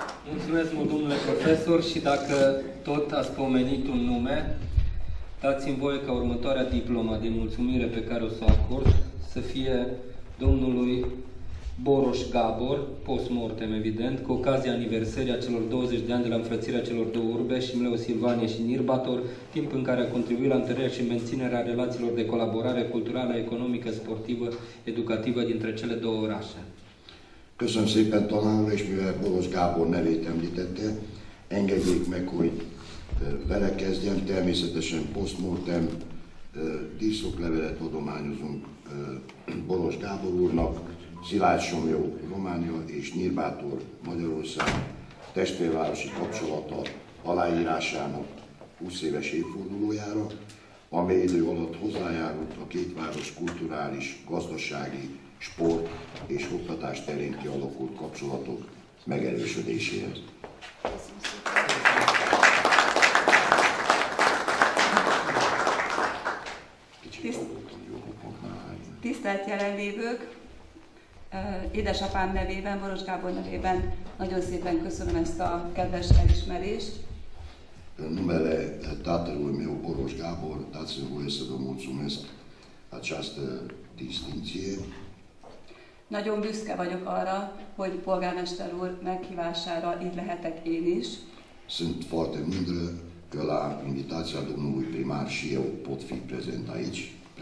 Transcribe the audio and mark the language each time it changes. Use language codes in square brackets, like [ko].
[ro] Mulțumesc mult, domnule profesor, și dacă tot ați pomenit un nume, dați-mi voie ca următoarea diplomă de mulțumire pe care o să o acord să fie domnului Boroș Gabor, post-mortem evident, cu ocazia aniversării celor 20 de ani de la înfrățirea celor două urbe, Șimleu, Silvanie și Nyírbátor, timp în care a contribuit la întărirea și menținerea relațiilor de colaborare culturală, economică, sportivă, educativă dintre cele două orașe. [hu] Köszönöm szépen, tanárul, și mivel Boroș Gabor nevét említette, engedjék meg, hogy vele kezdjem, természetesen post-mortem díszoklevelet adományozunk Boroș Gábor úrnak, Szilágy Somlyó, Románia és Nyírbátor, Magyarország testvérvárosi kapcsolata aláírásának 20 éves évfordulójára, amely idő alatt hozzájárult a két város kulturális, gazdasági, sport és oktatás terén kialakult kapcsolatok megerősödéséhez. Tisztelt jelenlévők, édesapám nevében, Boroș Gábor nevében nagyon szépen köszönöm ezt a kedves elismerést. [ro] Numele tatălui meu, Boroș Gábor, dați-mi voie să vă mulțumesc această distinție. [hu] Nagyon büszke vagyok arra, hogy polgármester úr meghívására itt lehetek én is. [ro] Sunt foarte mândră că la invitația domnului primar și eu pot fi prezent aici.